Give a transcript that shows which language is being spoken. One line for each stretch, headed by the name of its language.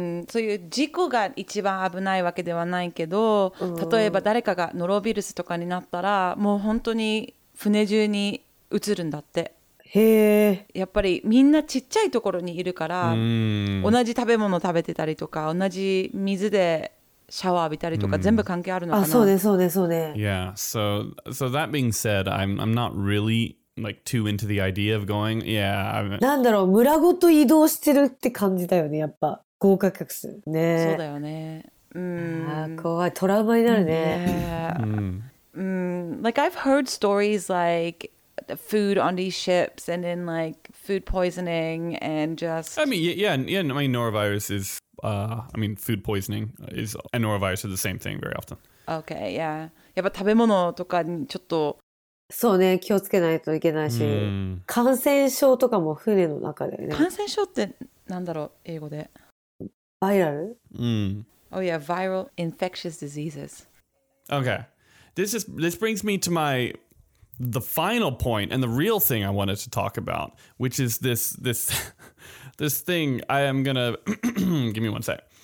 Japanese: そういう事故が一番危ないわけではないけど、例えば誰かがノロウイルスとかになったら、もう本当に船中に移るんだって。へえ。やっぱりみんなちっちゃいところにいるから、同じ食べ物食べてたりとか、同じ水でシャワー浴びたりとか全部関係あるのかな。あ、そうね、そうね、そうね。
English: Yeah, so that being said, I'm not really like too into the idea of going. Yeah.
Japanese: なんだろう、村ごと移動してるって感じだよね、やっぱ豪華客船ね。そうだよね。怖い、トラウマになるね。
English: Like I've heard stories like the food on these ships and then like food poisoning and just. I mean, yeah. I mean, norovirus is. I mean, food poisoning is, and norovirus are the same thing very often. Okay, yeah.
Japanese: やっぱ食べ物とかにちょっと、そうね、気をつけないといけないし、感染症とかも船の中でね。感染症ってなんだろう、英語で。バイラル？
English: Oh yeah, viral infectious diseases. Okay, this brings me to the final point and the real thing I wanted to talk about, which is this thing I am gonna give me one sec.